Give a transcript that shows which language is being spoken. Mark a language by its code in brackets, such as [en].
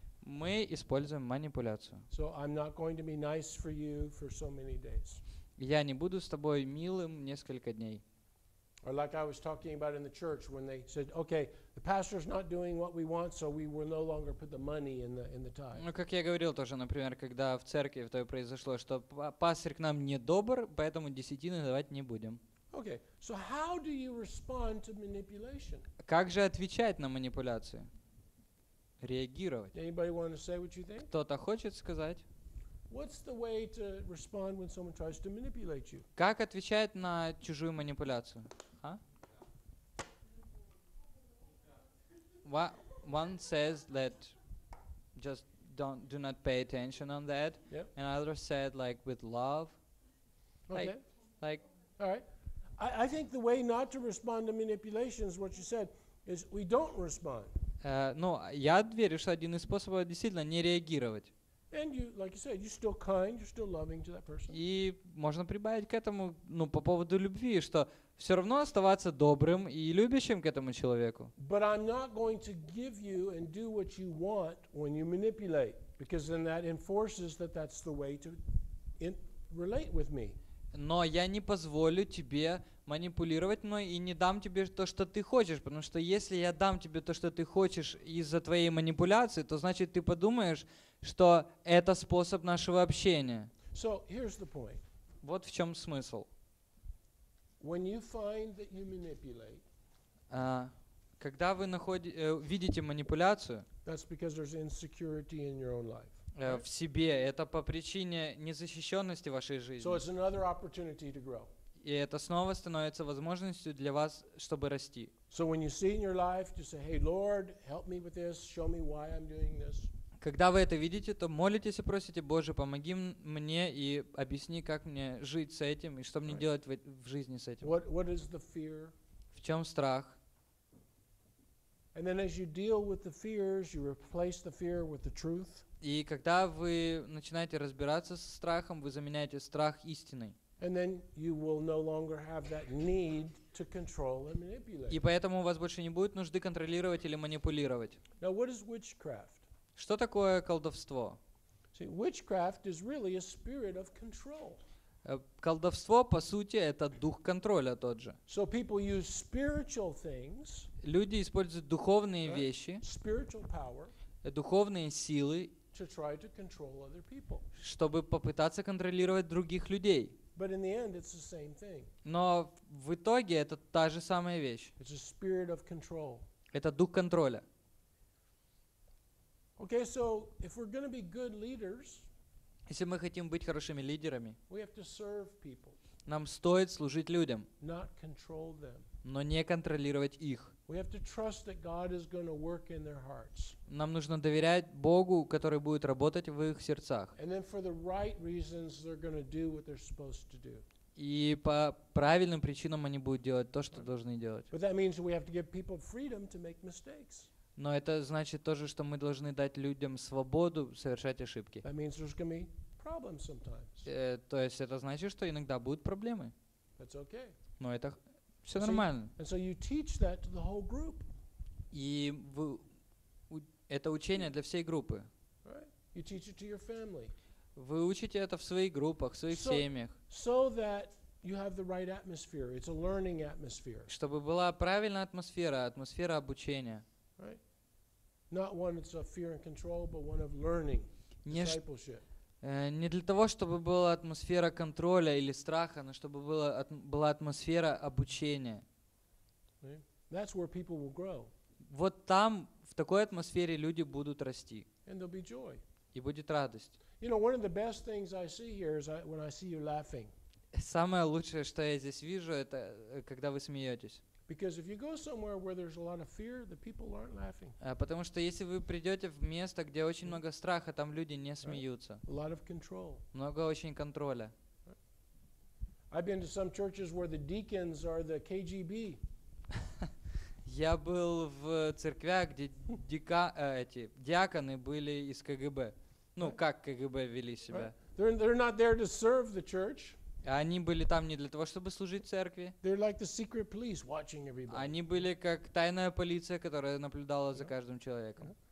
[ru] Мы используем манипуляцию. [en] So I'm not going to be nice for you for so many days. [ru] Я не буду с тобой милым несколько дней. [en] Or like I was talking about in the church when they said, okay, the pastor's not doing what we want, so we will no longer put the money in the tithe. [ru] Ну, как я говорил тоже, например, когда в церкви это произошло, что пастор к нам не добр, поэтому десятины давать не будем. [en] Okay, so how do you respond to manipulation? [ru] Как же отвечать на манипуляции? Реагировать. [en] Anybody want to say what you think? [ru] Кто-то хочет сказать? [en] What's the way to respond when someone tries to manipulate you? [ru] Как отвечать на чужую манипуляцию? Huh? [en] What one says that just do not pay attention on that. Yep. And another said like with love. Okay. Like all right. I think the way not to respond to manipulation is what you said is we don't respond. [ru] Я верю, что один из способов действительно не реагировать. [en] And you, like you said, you're still kind, you're still loving to that person. [ru] И можно прибавить к этому, по поводу любви, что все равно оставаться добрым и любящим к этому человеку. [en] But I'm not going to give you and do what you want when you manipulate, because then that enforces that's the way to relate with me. [ru] Но я не позволю тебе манипулировать мной и не дам тебе то, что ты хочешь, потому что если я дам тебе то, что ты хочешь из-за твоей манипуляции, то значит ты подумаешь, что это способ нашего общения. [en] So, here's the point. [ru] Вот в чем смысл. [en] When you find that you manipulate, [ru] когда вы видите манипуляцию, [en] that's because there's insecurity in your own life. [ru] В себе, это по причине незащищенности вашей жизни. [en] So it's another opportunity to grow. [ru] И это снова становится возможностью для вас, чтобы расти. [en] So when you see in your life, just say, hey, Lord, help me with this, show me why I'm doing this. [ru] Когда вы это видите, то молитесь и просите, Боже, помоги мне и объясни, как мне жить с этим и что мне [en] right. [ru] делать в жизни с этим. [en] What is the fear? [ru] В чем страх? [en] And then as you deal with the fears, you replace the fear with the truth. [ru] И когда вы начинаете разбираться со страхом, вы заменяете страх истиной. [en] And then you will no longer have that need to control and manipulate. [ru] И поэтому у вас больше не будет нужды контролировать или манипулировать. [en] Now what is witchcraft? [ru] Что такое колдовство? [en] See, witchcraft is really a spirit of control. [ru] Колдовство, по сути, это дух контроля тот же. [en] So people use spiritual things. [ru] Люди используют духовные вещи. [en] Spiritual power. [ru] Духовные силы. [en] To try to control other people. [ru] Чтобы попытаться контролировать других людей. [en] But in the end, it's the same thing. [ru] Но в итоге это та же самая вещь. [en] It's a spirit of control. [ru] Это дух контроля. [en] Okay, so if we're going to be good leaders, [ru] если мы хотим быть хорошими лидерами, [en] we have to serve people. [ru] Нам стоит служить людям, [en] not control them. [ru] Но не контролировать их. [en] We have to trust that God is going to work in their hearts. [ru] Нам нужно доверять Богу, который будет работать в их сердцах. [en] And then for the right reasons, they're going to do what they're supposed to do. [ru] И по правильным причинам они будут делать то, что должны делать. [en] But that means we have to give people freedom to make mistakes. [ru] Но это значит тоже, что мы должны дать людям свободу совершать ошибки. [en] That means there's going to be problems sometimes. [ru] То есть это значит, что иногда будут проблемы. [en] That's okay. [ru] Но это все нормально. [en] And so you teach that to the whole group. [ru] И это учение для всей группы. [en] Right. You teach it to your family. [ru] Вы учите это в своих группах, в своих семьях. [en] So that you have the right atmosphere. It's a learning atmosphere. [ru] Чтобы была правильная атмосфера, атмосфера обучения. [en] Right. Not one that's of fear and control, but one of learning, discipleship. [ru] Не для того, чтобы была атмосфера контроля или страха, но чтобы была атмосфера обучения. [en] Right. That's where people will grow. [ru] Вот там, в такой атмосфере, люди будут расти. [en] And there'll be joy. [ru] И будет радость. [en] You know, one of the best things I see here is when I see you laughing. [ru] Самое лучшее, что я здесь вижу, это когда вы смеетесь. [en] Because if you go somewhere where there's a lot of fear, the people aren't laughing. [ru] Потому что если вы придете в место, где очень много страха, там люди не смеются. [en] A lot of control. [ru] Много очень контроля. [en] I've been to some churches where the deacons are the KGB. [ru] Я был в церквях, где диаконы были из КГБ. Ну, как КГБ вели себя. [en] They're not there to serve the church. [ru] Они были там не для того, чтобы служить церкви. [en] Like the secret police watching everybody. [ru] Они были как тайная полиция, которая наблюдала за каждым человеком.